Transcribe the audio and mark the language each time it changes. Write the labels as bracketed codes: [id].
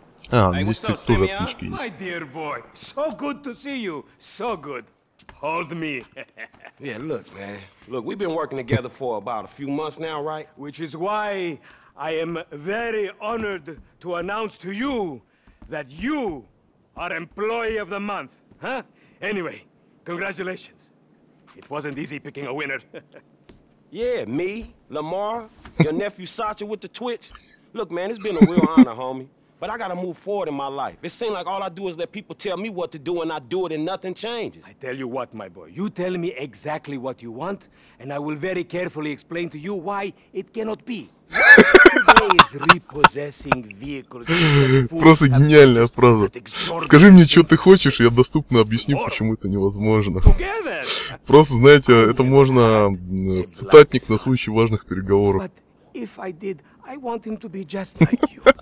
[ru] А, здесь тут тоже отмычки есть. [en] My dear boy, so good to see you, so good. Hold me. Yeah, look, man. Look, we've been working together for about a few months now, right? Which is why I am very honored to announce to you that you are employee of the month, huh? Anyway, congratulations. It wasn't easy picking a winner. Yeah, me, Lamar, your nephew Sacha with the Twitch. Look, man, it's been a real honor, homie. But I gotta move forward in my life. It seems like all I do is let people tell me what to do and I do it and nothing changes. I tell you what, my boy. You tell me exactly what you want and I will very carefully explain to you why it cannot be. Today is repossessing vehicles. [ru] Просто гениальная фраза. Скажи мне, что ты хочешь, и я доступно объясню, почему это невозможно. Просто, знаете, это можно в цитатник на случай важных переговоров. [en] But if I did, I want him to be just like you.